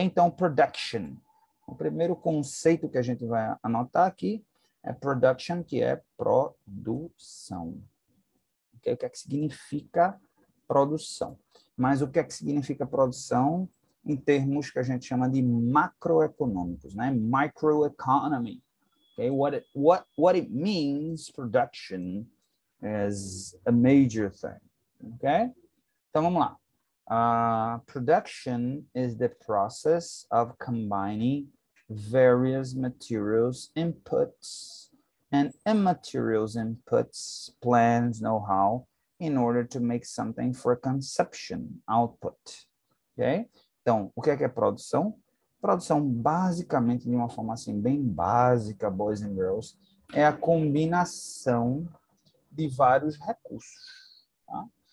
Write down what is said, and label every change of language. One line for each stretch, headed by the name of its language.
Portuguese: Então production. O primeiro conceito que a gente vai anotar aqui é production, que é produção. Okay? O que é que significa produção? Mas o que é que significa produção em termos que a gente chama de macroeconômicos, né?
English: Microeconomy. Okay? What it means, production, is a major thing. Okay?
Portuguese: Então, vamos lá.
English: Production is the process of combining various materials, inputs, and immaterials inputs, plans, know-how, in order to make something for consumption, output.
Portuguese: Ok? Então, o que é produção? Produção, basicamente, de uma forma assim, bem básica,
English: boys and girls,
Portuguese: é a combinação de vários recursos. Tá?